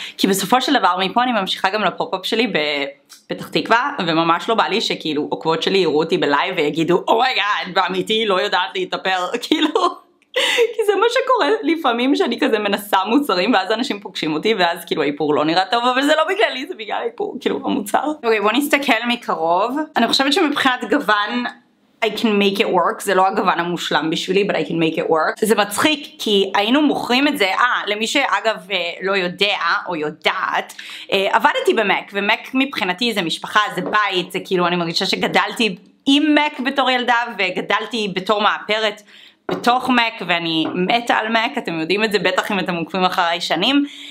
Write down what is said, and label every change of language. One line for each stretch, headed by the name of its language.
Hebrew: כי בסופו של דבר, מפה אני ממשיכה גם לפופ-אפ שלי בפתח תקווה, וממש לא בא לי שכאילו עוקבות שלי יראו אותי בלייב ויגידו, אומייגאד, באמיתי לא יודעת להתאפר, כאילו... כי זה מה שקורה לפעמים שאני כזה מנסה מוצרים ואז אנשים פוגשים אותי ואז כאילו האיפור לא נראה טוב, אבל זה לא בגללי, זה בגלל האיפור, כאילו המוצר. אוקיי, בוא נסתכל מקרוב. אני חושבת שמבחינת גוון
English: I can make it work,
Hebrew: זה לא הגוון המושלם בשבילי,
English: but I can make it work.
Hebrew: זה מצחיק כי היינו מוכרים את זה, למי שאגב לא יודע או יודעת, עבדתי במק, ומק מבחינתי זה משפחה, זה בית, זה כאילו אני מרגישה שגדלתי עם מק בתור ילדה וגדלתי בתור מאפרת בתוך מק, ואני מתה על מק, אתם יודעים את זה בטח אם אתם עוקבים אחרי שנים.